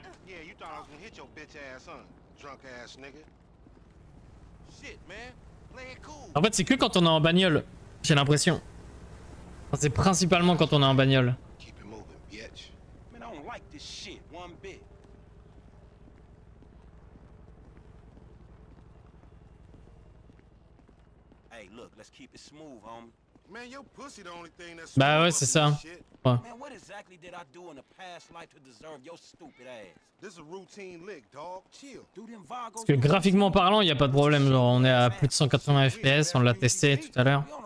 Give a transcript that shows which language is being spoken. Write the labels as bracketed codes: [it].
[en] Thought I was gonna hit your bitch ass, huh? Drunk ass nigga. Shit, man. Play it cool. [fr] En fait, c'est que quand on est en bagnole, j'ai l'impression. Enfin, c'est principalement quand on est en bagnole. [en] Keep it moving, bitch. Man, I don't like this shit one bit. Hey, look, let's keep it smooth, homie. Man, your pussy the only thing that's smooth. [fr] Bah ouais, c'est ça. [en] Man, what exactly did I do in the past life to deserve your stupid ass? This is a routine lick, dog. Chill. Do them Vagos. [fr] Parce que graphiquement parlant, y a pas de problème. Genre, on est à plus de 180 FPS, on l'a testé tout à l'heure.